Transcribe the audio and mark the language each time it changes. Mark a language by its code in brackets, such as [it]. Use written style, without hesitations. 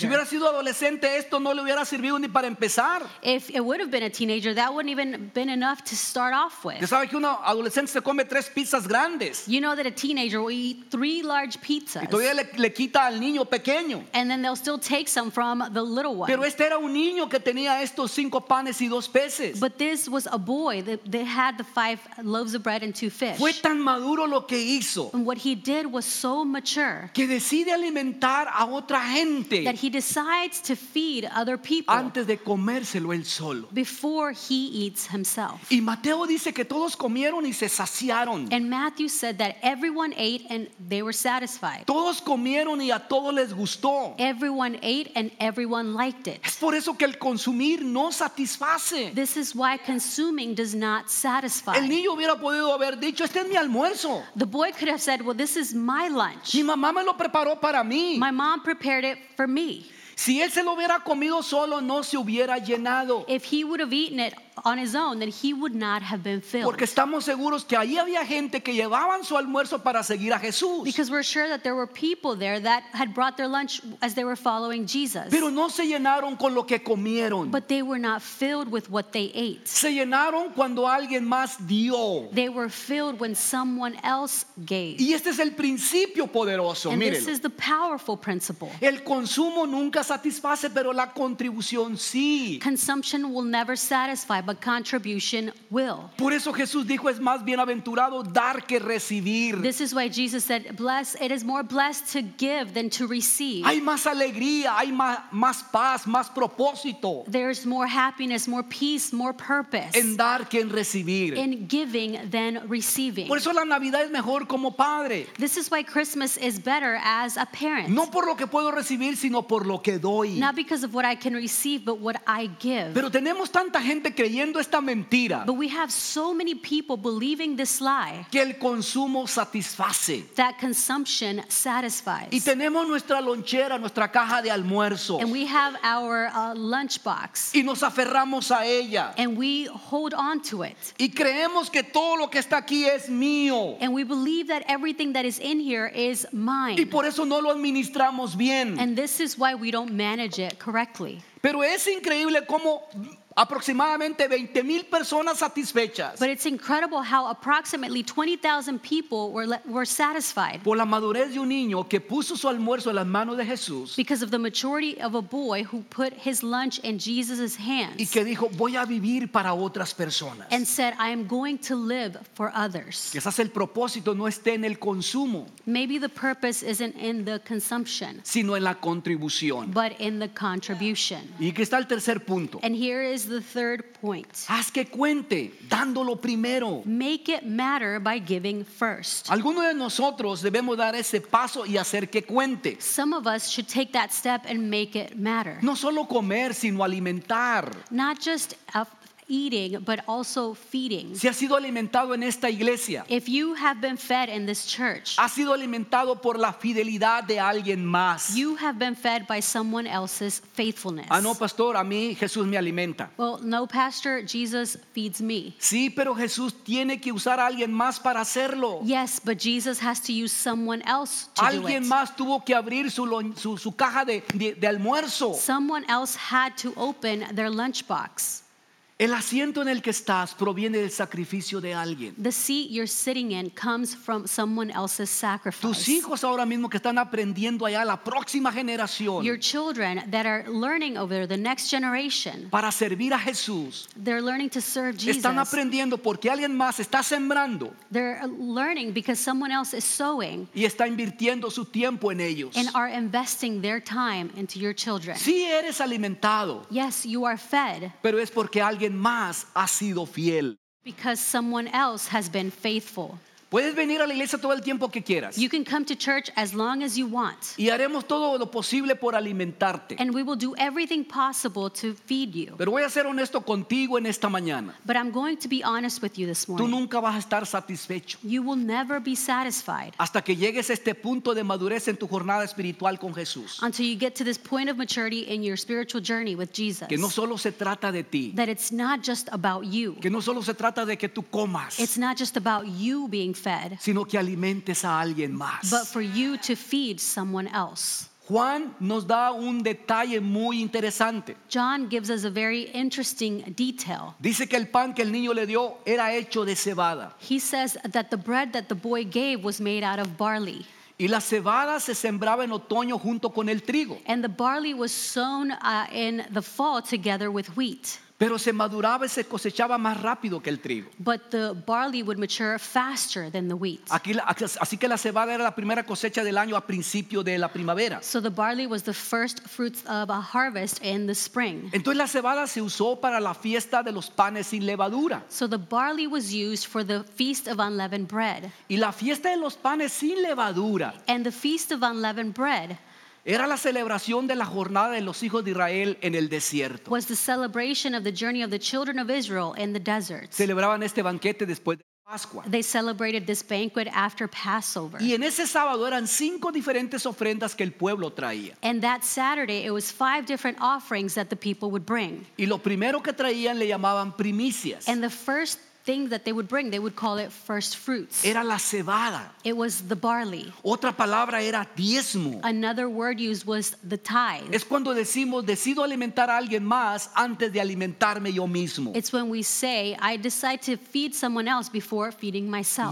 [es] Si hubiera sido adolescente, esto no le hubiera servido ni para empezar. [en] If it would have been a teenager, that wouldn't even been enough to start off with. [es] ¿Ya sabe que uno adolescente se come tres pizzas? [en] You know that a teenager will eat three large pizzas. [es] Y todavía le quita al niño pequeño. [en] And then they'll still take some from the little one. [es] Pero este era un niño que tenía estos cinco panes y dos peces. [en] But this was a boy that had the five loaves of bread and two fish. [es] Fue tan maduro lo que hizo. [en] And what he did was so mature. [es] Que decide alimentar a otra gente. [en] That he decides to feed other people. [es] Antes de comérselo él solo. [en] Before he eats himself. [es] Y Mateo dice que todos comieron y se saciaron. [en] And Matthew said that everyone ate and they were satisfied. [es] Todos comieron y a todos les gustó. [en] Everyone ate and everyone liked it. [es] Es por eso que el consumir no satisface. [en] This is why consuming does not satisfy. [es] El niño hubiera podido haber dicho, este es mi almuerzo. [en] The boy could have said, well, this is my lunch. [es] Mi mamá me lo preparó para mí. [en] My mom prepared it for me. [es] Si él se lo hubiera comido solo, no se hubiera llenado. [en] If he would have eaten it on his own, then he would not have been filled. [es] Porque estamos seguros que ahí había gente que llevaban su almuerzo para seguir a Jesús. [en] Because we're sure that there were people there that had brought their lunch as they were following Jesus. [es] Pero no se llenaron con lo que comieron. [en] But they were not filled with what they ate. [es] Se llenaron cuando alguien más dio. [en] They were filled when someone else gave. [es] Y este es el principio poderoso. [en] And [es] mírenlo. [en] This is the powerful principle. [es] El consumo nunca satisface, pero la contribución sí. [en] Consumption will never satisfy, but contribution will. [es] Por eso Jesús dijo, es más bienaventurado dar que recibir. [en] This is why Jesus said, it is more blessed to give than to receive. [es] Hay más alegría, hay más paz, más propósito. [en] There's more happiness, more peace, more purpose. [es] En dar que en recibir. [en] In giving than receiving. [es] Por eso la Navidad es mejor como padre. [en] This is why Christmas is better as a parent. [es] No por lo que puedo recibir, sino por lo que doy. [en] Not because of what I can receive, but what I give. [es] Pero tenemos tanta gente creyendo esta mentira. [en] But we have so many people believing this lie. [es] Que el consumo satisface. [en] That consumption satisfies. [es] Y tenemos nuestra lonchera, nuestra caja de almuerzo. [en] And we have our lunchbox. [es] Y nos aferramos a ella. [en] And we hold on to it. [es] Y creemos que todo lo que está aquí es mío. [en] And we believe that everything that is in here is mine. [es] Y por eso no lo administramos bien. [en] And this is why we don't manage it correctly. [es] Pero es increíble cómo aproximadamente 20,000 personas satisfechas. [en] But it's incredible how approximately 20,000 people were satisfied. [es] Por la madurez de un niño que puso su almuerzo en las manos de Jesús. [en] Because of the maturity of a boy who put his lunch in Jesus' hands. [es] Y que dijo, voy a vivir para otras personas. [en] And said, I am going to live for others. [es] Quizás el propósito no esté en el consumo. [en] Maybe the purpose isn't in the consumption. [es] Sino en la contribución. [en] But in the contribution. [es] Y aquí está el tercer punto. [en] And here is the third point. [es] Haz que cuente, dándolo primero. [en] Make it matter by giving first. [es] Algunos de nosotros debemos dar ese paso y hacer que cuente. [en] Some of us should take that step and make it matter. [es] No solo comer, sino alimentar. [en] Not just eating, but also feeding. [es] Si ha sido alimentado en esta iglesia. [en] If you have been fed in this church. [es] Ha sido alimentado por la fidelidad de alguien más. [en] You have been fed by someone else's faithfulness. [es] Ah, no, pastor, a mí Jesús me alimenta. [en] Well, no, pastor, Jesus feeds me. [es] Sí, pero Jesús tiene que usar a alguien más para hacerlo. [en] Yes, but Jesus has to use someone else to do it. [es] Alguien más tuvo que abrir su caja de almuerzo. [en] Someone else had to open their lunchbox. [es] El asiento en el que estás proviene del sacrificio de alguien. [en] The seat you're sitting in comes from someone else's sacrifice. [es] Tus hijos ahora mismo que están aprendiendo allá, la próxima generación. [en] Your children that are learning over the next generation. [es] Para servir a Jesús. [en] They're learning to serve Jesus. [es] Están aprendiendo porque alguien más está sembrando. [en] They're learning because someone else is sowing. [es] Y está invirtiendo su tiempo en ellos. [en] And are investing their time into your children. [es] Sí, eres alimentado. [en] Yes, you are fed. [es] Pero es porque alguien más ha sido fiel. [en] Because someone else has been faithful. [es] Puedes venir a la iglesia todo el tiempo que quieras. [en] You can come to church as long as you want. [es] Y haremos todo lo posible por alimentarte. [en] And we will do everything possible to feed you. [es] Pero voy a ser honesto contigo en esta mañana. [en] But I'm going to be honest with you this morning. [es] Tú nunca vas a estar satisfecho. [en] You will never be satisfied. [es] Hasta que llegues a este punto de madurez en tu jornada espiritual con Jesús. [en] Until you get to this point of maturity in your spiritual journey with Jesus. [es] Que no solo se trata de ti. [en] That it's not just about you. [es] Que no solo se trata de que tú comas. [en] It's not just about you being fed, [es] sino que alimentes a alguien más. [en] But for you to feed someone else. [es] Juan nos da un detalle muy interesante. [en] John gives us a very interesting detail. [es] Dice que el pan que el niño le dio era hecho de cebada. [en] He says that the bread that the boy gave was made out of barley. [es] Y la cebada se sembraba en otoño junto con el trigo. [en] And the barley was sown in the fall together with wheat. [es] Pero se maduraba y se cosechaba más rápido que el trigo. [en] But the barley would mature faster than the wheat. [es] Así que la cebada era la primera cosecha del año a principio de la primavera. [en] So the barley was the first fruits of a harvest in the spring. [es] Entonces la cebada se usó para la fiesta de los panes sin levadura. [en] So the barley was used for the feast of unleavened bread. [es] Y la fiesta de los panes sin levadura. [en] And the feast of unleavened bread. [es] Era la celebración de la jornada de los hijos de Israel en el desierto. [en] Was the celebration of the journey of the children of Israel in the desert. [es] Celebraban este banquete después de Pascua. [en] They celebrated this banquet after Passover. [es] Y en ese sábado eran cinco diferentes ofrendas que el pueblo traía. [en] And that Saturday it was five different offerings that the people would bring. [es] Y lo primero que traían le llamaban primicias. [en] And the first thing that they would bring, they would call it first fruits. [es] Era la cebada. [en] It was the barley. [es] Otra palabra era diezmo. [en] Another word used was the tithe. [es] Es cuando decimos decido alimentar a alguien más antes de alimentarme yo mismo. [en] It's when we say I decide to feed someone else before feeding myself.